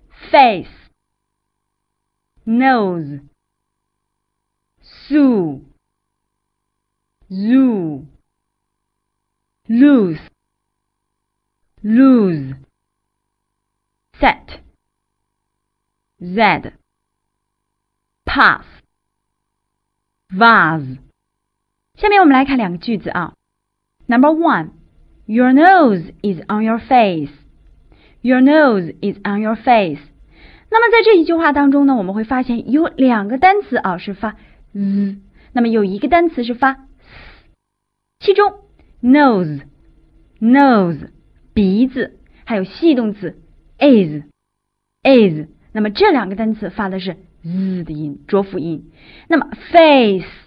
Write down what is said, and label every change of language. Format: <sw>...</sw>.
<en>Face, nose, sue, zoo, loose, lose, set, zed, pass, vase。</en> <zh>下面我们来看两个句子啊。</zh> <en>Number one, your nose is on your face. Your nose is on your face.</en> <zh>那么在这一句话当中呢，我们会发现有两个单词啊是发 z， 那么有一个单词是发 s。其中 nose 鼻子，还有系动词 is 那么这两个单词发的是 z 的音，浊辅音。那么 face。</zh>